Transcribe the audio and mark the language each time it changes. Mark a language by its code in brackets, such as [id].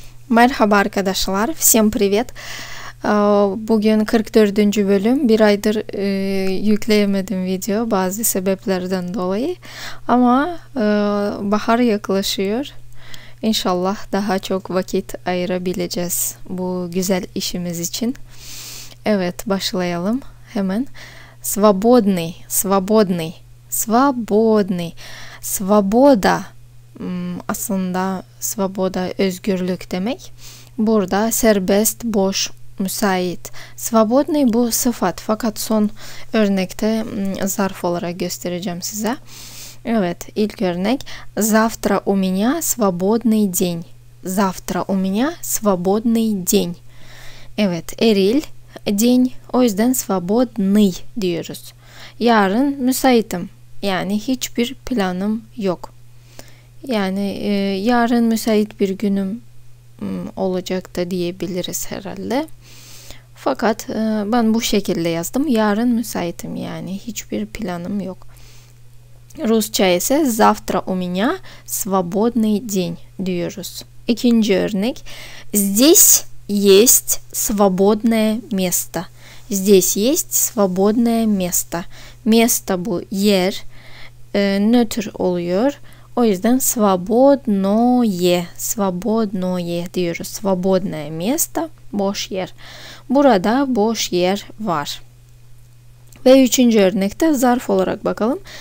[tr] Merhaba arkadaşlar, всем привет. Bugün 44. bölüm. Bir aydır yükleyemedim video bazı sebeplerden dolayı. Ama bahar yaklaşıyor. İnşallah daha çok vakit ayırabileceğiz bu güzel işimiz için. Evet, başlayalım hemen. [ru] Свободный, свободный, свободный. Свобода. [tr] Aslında svoboda özgürlük demek. Burada serbest, boş, müsait. Svobodny bu sıfat. Fakat son örnekte zarf olarak göstereceğim size. Evet, ilk örnek. [ru] Завтра у меня свободный день. Завтра у меня свободный день. [tr] Evet, eril день. O yüzden свободный diyoruz. Yarın müsaitim. Yani hiçbir planım yok. Yani yarın müsait bir günüm olacak da diyebiliriz herhalde. Fakat ben bu şekilde yazdım. Yarın müsaitim, yani hiçbir planım yok. Rusça ise завтра у меня свободный день diyoruz. İkinci örnek. [ru] Здесь есть свободное место. Здесь есть свободное место. [tr] Место bu yer. Nötr oluyor. O yüzden свободное, свободное diyoruz. Свободное место, boş yer. Burada boş yer var. Ve üçüncü örnekte zarf olarak bakalım.